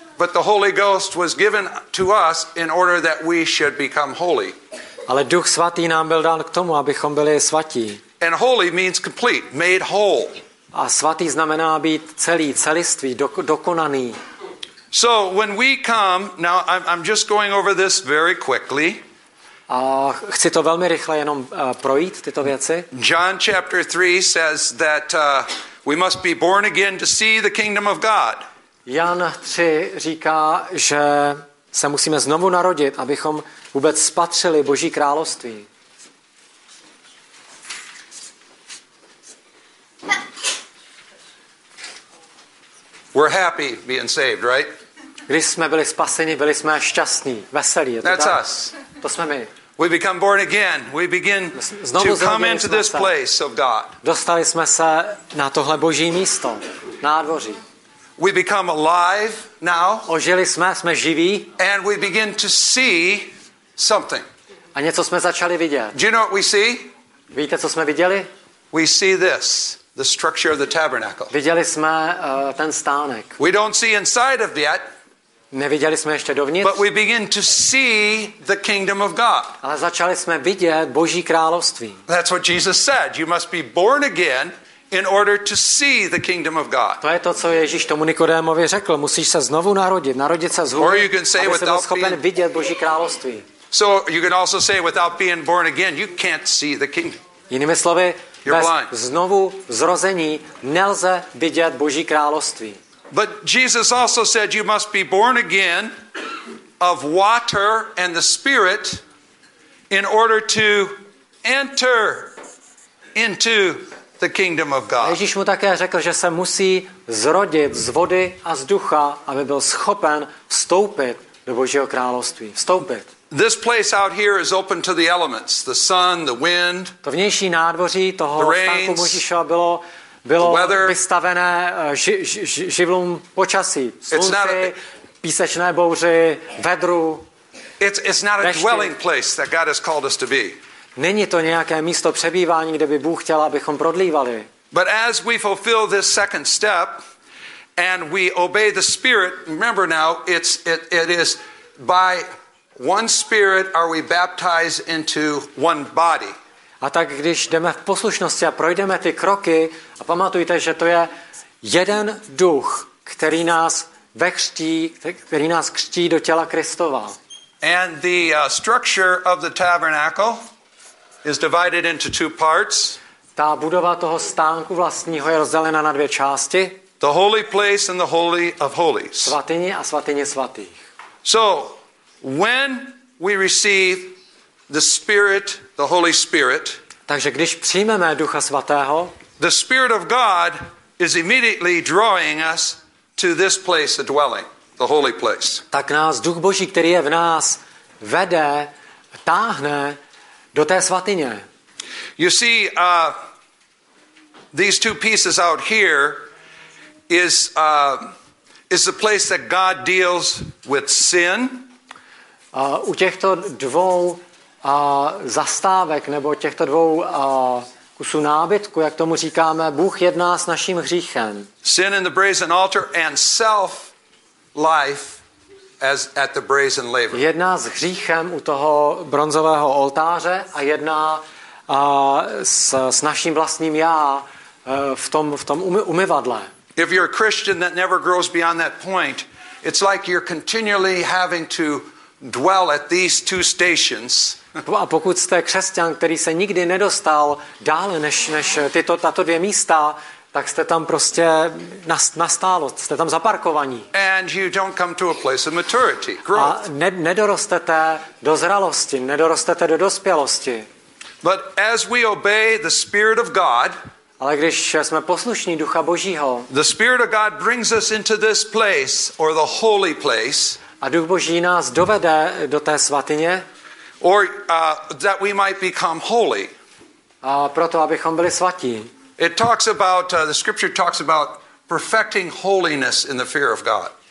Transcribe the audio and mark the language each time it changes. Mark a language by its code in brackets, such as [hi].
[en] But the Holy Ghost was given to us in order that we should become holy. [cs] Ale Duch svatý nám byl dán k tomu, abychom byli svatí. [en] And holy means complete, made whole. [cs] A svatý znamená být celý, celiství, dokonaný. [en] So when we come, now I'm just going over this very quickly. [cs] A chci to velmi rychle jenom projít tyto věci. [en] John chapter 3 says that we must be born again to see the kingdom of God. [cs] Jan 3 říká, že se musíme znovu narodit, abychom vůbec spatřili Boží království. [en] We're happy being saved, right? [cs] Když jsme byli spaseni, byli jsme šťastní, veselí. [en] That's us. [cs] To jsme my. [en] We become born again. We begin [cs] znovu [en] to come into this place of God. [cs] Dostali jsme se na tohle Boží místo, na nádvoří. [en] We become alive now. [cs] Ožili jsme živí. [en] And we begin to see something. [cs] A něco jsme začali vidět. [en] Do you know what we see? [cs] Víte, co jsme viděli? [en] We see this, the structure of the tabernacle. [cs] Viděli jsme ten stánek. [en] We don't see inside of yet. [cs] Neviděli jsme ještě dovnitř. [en] But we begin to see the kingdom of God. [cs] Ale začali jsme vidět Boží království. [en] That's what Jesus said. You must be born again in order to see the kingdom of God. [cs] To je to, co Ježíš tomu Nikodémovi řekl. Musíš se znovu narodit, narodit se znovu, aby jsi byl schopen vidět Boží království. [en] So you can also say without being born again, you can't see the kingdom. [cs] Jinými slovy, bez znovu zrození nelze vidět Boží království. [en] But Jesus also said you must be born again of water and the Spirit in order to enter into the kingdom of God. [cs] Ježíš mu také řekl, že se musí zrodit z vody a z ducha, aby byl schopen vstoupit do Božího království. Vstoupit. [en] This place out here is open to the elements, the sun, the wind. [cs] To vnější nádvoří toho stánku Mojžíšova bylo vystavené živlům počasí, slunci, písečné bouři, vedru. [en] It's not a dwelling place that God has called us to be. [cs] Není to nějaké místo přebývání, kde by Bůh chtěl, abychom prodlívali. [en] But as we fulfill this second step and we obey the Spirit, remember now, it is by one Spirit are we baptized into one body. [cs] A tak když jdeme v poslušnosti a projdeme ty kroky, a pamatujte, že to je jeden duch, který nás vekřtí, který nás křtí do těla Kristova. [en] And the structure of the tabernacle is divided into two parts. [cs] Ta budova toho stánku vlastního je rozdělena na dvě části. [en] The holy place and the holy of holies. [cs] Svatyně a svatyně svatých. [en] So, when we receive the Spirit, the Holy Spirit. [cs] Takže když přijmeme Ducha svatého, [en] the Spirit of God is immediately drawing us to this place, the dwelling, the holy place. [cs] Tak nás Duch Boží, který je v nás, vede, táhne do té svatyně. [en] You see, these two pieces out here is the place that God deals with sin. [cs] U těchto dvou zastávek nebo těchto dvou kusů nábytku, jak tomu říkáme, Bůh jedná s naším hříchem. [en] Sin in the brazen altar and self life as at the brazen laver. [cs] Jedná s hříchem u toho bronzového oltáře a jedná s naším vlastním já v tom umyvadle. [en] If you're a Christian that never grows beyond that point, it's like you're continually having to dwell at these two stations. [cs] A pokud jste křesťan, který se nikdy nedostal dále než tato dvě místa, tak jste tam prostě nastálo, jste tam zaparkovaní. [en] And you don't come to a place of maturity, growth. [cs] Nedorostete do zralosti, nedorostete do dospělosti. [en] But as we obey the Spirit of God, [cs] ale když jsme poslušní Ducha Božího, [en] the Spirit of God brings us into this place or the holy place. [cs] A Duch Boží nás dovede do té svatyně. [en] Or that we might become holy. [cs] A proto abychom byli svatí. [en] It talks about the scripture talks about perfecting holiness in the fear of God.